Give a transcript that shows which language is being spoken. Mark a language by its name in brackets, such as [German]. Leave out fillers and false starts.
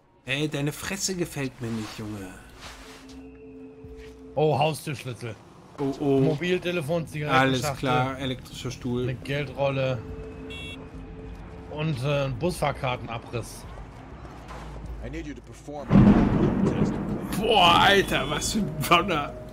[German] Ey, deine Fresse gefällt mir nicht, Junge. Oh, Haustürschlüssel. Oh, oh. Mobiltelefon, Zigaretten. Alles klar, elektrischer Stuhl. Eine Geldrolle. Und ein Busfahrkartenabriss. [English] I need you to perform a test. [German] Boah, Alter, was für ein Bonner.